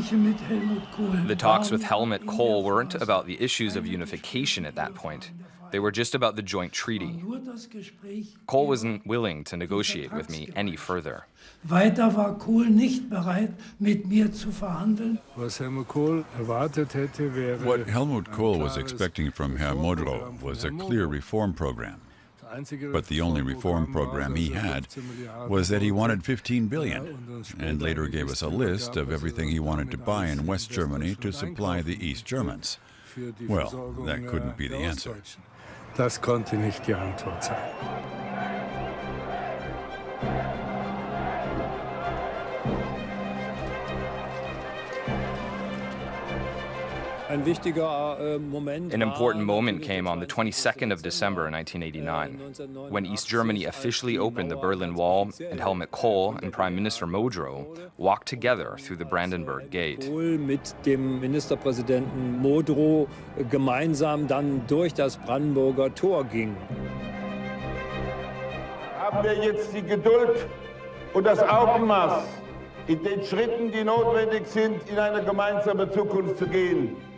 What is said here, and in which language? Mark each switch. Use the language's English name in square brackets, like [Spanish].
[English] The talks with Helmut Kohl weren't about the issues of unification at that point. They were just about the joint treaty. Kohl wasn't willing to negotiate with me any further. [German] Weiter war Kohl nicht bereit, mit mir zu verhandeln. [English] What Helmut Kohl was expecting from Herr Modrow was a clear reform program. But the only reform program he had was that he wanted 15 billion, and later gave us a list of everything he wanted to buy in West Germany to supply the East Germans. Well, that couldn't be the answer. [German] Das konnte nicht die Antwort sein. [English] An important moment came on the 22nd of December 1989, when East Germany officially opened the Berlin Wall and Helmut Kohl and Prime Minister Modrow walked together through the Brandenburg Gate. [German] Kohl mit dem Ministerpräsidenten Modrow gemeinsam dann durch das Brandenburger Tor ging. Haben wir jetzt die Geduld und das Augenmaß, in den Schritten, die notwendig sind, in eine gemeinsame Zukunft zu gehen?